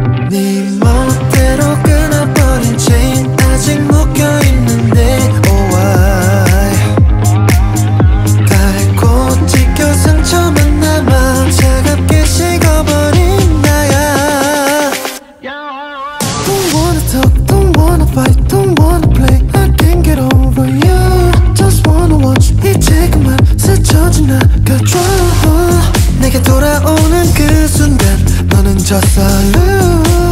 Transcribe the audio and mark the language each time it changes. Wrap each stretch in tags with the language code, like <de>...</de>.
<ko>네 멋대로 끊어버린 체인 아직 묶여있는데</ko> <en>oh why.</en> <ko>달고 찢겨 상처만 남아 차갑게 식어버린 나야.</ko> <en>Don't wanna talk, don't wanna fight, don't wanna play, I can't get over you. Just wanna watch</en> <ko>이 지금만 스쳐 지나가 drama. 내게 돌아오는 그 순간 너는 졌어 lose.</ko>